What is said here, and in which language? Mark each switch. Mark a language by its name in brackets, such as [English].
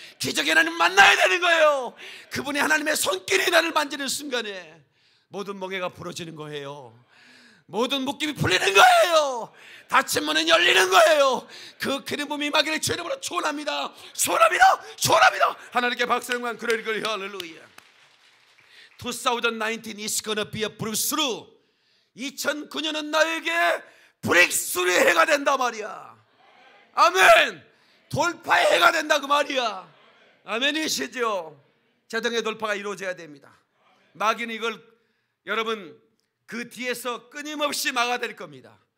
[Korean] 기적의 하나님 만나야 되는 거예요. 그분이 하나님의 손길이 나를 만지는 순간에 모든 멍에가 부러지는 거예요. 모든 묶임이 풀리는 거예요. 닫힌 문은 열리는 거예요. 그 기름부음이 임하기를 주님으로 축원합니다. 축원합니다. 축원합니다. 하나님께 박수 영광 그를 이끌어 할렐루야. [English] 2019 is gonna be a breakthrough. [Korean] 2009년은 나에게 브릭스루의 해가 된다 말이야. 아멘. 돌파의 해가 된다 그 말이야. 아멘이시죠. 재정의 돌파가 이루어져야 됩니다. 마귀는 이걸 여러분 그 뒤에서 끊임없이 막아들 겁니다.